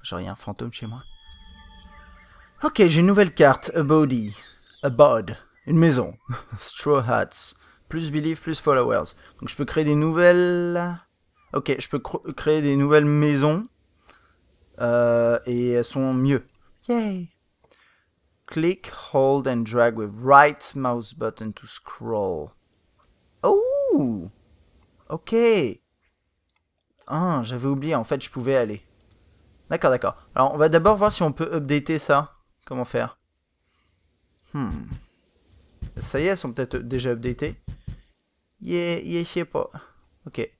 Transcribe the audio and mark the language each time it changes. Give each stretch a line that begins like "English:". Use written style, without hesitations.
French: Genre, il y a un fantôme chez moi. Ok, j'ai une nouvelle carte. A body. A bod. Une maison. Straw hats. Plus believe, plus followers. Donc, je peux créer des nouvelles. Ok, je peux cr créer des nouvelles maisons. Et elles sont mieux. Yay!
English: Click, hold and drag with right mouse button to scroll. Oh! Ok!
French: Ah, j'avais oublié, en fait, je pouvais aller. D'accord. Alors, on va d'abord voir si on peut updater ça. Comment faire? Ça y est, elles sont peut-être déjà updatées. Yeah, je sais pas. Ok.